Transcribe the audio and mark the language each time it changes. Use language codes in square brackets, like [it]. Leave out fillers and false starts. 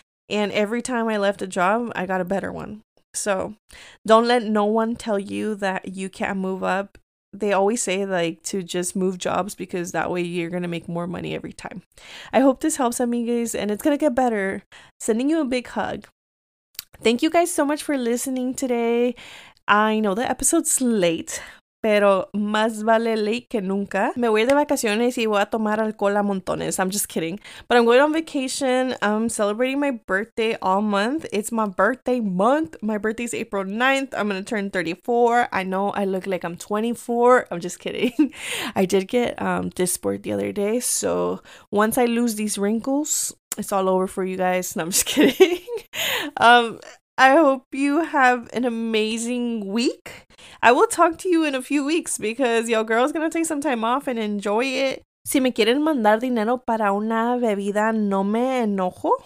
[en] And every time I left a job, I got a better one. So don't let no one tell you that you can't move up. They always say like to just move jobs because that way you're going to make more money every time. I hope this helps, amigas, and it's going to get better. Sending you a big hug. Thank you guys so much for listening today. I know the episode's late, [es] pero más vale late que nunca. Me voy de vacaciones y voy a tomar alcohol a montones. [en] I'm just kidding. But I'm going on vacation. I'm celebrating my birthday all month. It's my birthday month. My birthday's April 9th. I'm going to turn 34. I know I look like I'm 24. I'm just kidding. I did get Dysport the other day. So once I lose these wrinkles, it's all over for you guys. No, I'm just kidding. I hope you have an amazing week. I will talk to you in a few weeks because your girl is going to take some time off and enjoy it. [es] Si me quieren mandar dinero para una bebida, no me enojo.